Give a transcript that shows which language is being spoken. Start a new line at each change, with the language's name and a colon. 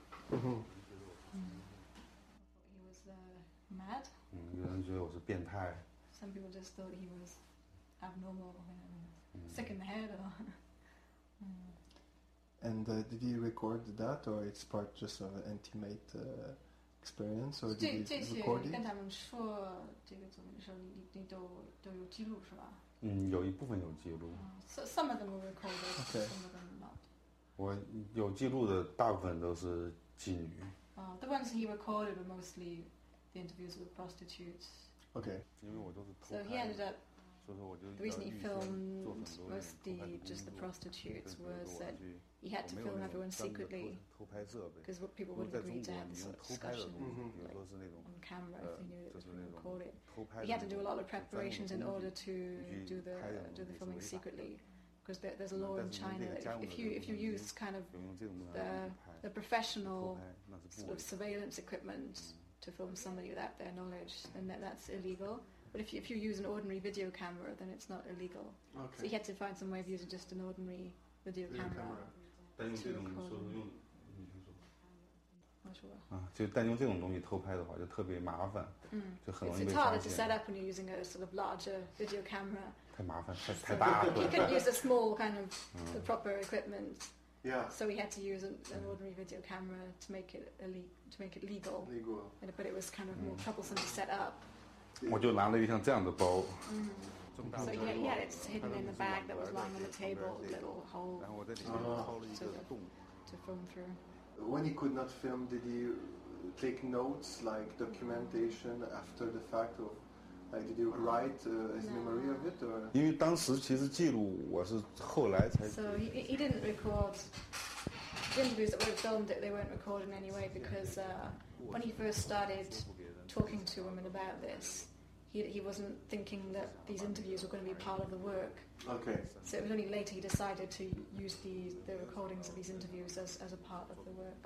English: He was mad. Some people just thought he was abnormal, sick in the head, or. And did he record that, or it's part just of an intimate experience, or did he record it?
Chinese: 跟他们说这个作品的时候，你都有记录是吧？有一部分有记录。
English: Some of them were recorded, some of them not.
Chinese: 我有记录的大部分都是妓女。
English: The ones he recorded were mostly the interviews with prostitutes. Okay.
Chinese: 因为我都是偷拍。
English: So he ended up. The reason he filmed mostly just the prostitutes was that he had to film everyone secretly because people wouldn't agree to have this sort of discussion on camera if they knew that it was being recorded. He had to do a lot of preparations in order to do the filming secretly because there's a law in China that if you use kind of the professional sort of surveillance equipment to film somebody without their knowledge, then that's illegal. But if you use an ordinary video camera, then it's not illegal. Okay. So he had to find some way of using just an ordinary video camera.
Chinese: 但用这种说用，你先说。啊，就但用这种东西偷拍的话，就特别麻烦。就很容易被发现。
English: It's harder to set up when you're using a sort of larger video camera.
Chinese: 太麻烦，太大了。
English: He couldn't use a small kind of the proper equipment. Yeah. So he had to use an ordinary video camera to make it legal. Legal. But it was kind of more troublesome to set up.
Chinese: 我就拿了一个像这样的包。
English: So yeah, it's hidden in the bag that was lying on the table, little hole.
Chinese: 然后我在里面掏了一个洞。
English: To film through. When he could not film, did he take notes like documentation after the fact of, like, did you write his memory of it or?
Chinese: 因为当时其实记录我是后来才。
English: So he didn't record. The interviews that were filmed, they weren't recorded in any way because when he first started talking to women about this, he wasn't thinking that these interviews were going to be part of the work. Okay. So it was only later he decided to use the recordings of these interviews as a part of the work.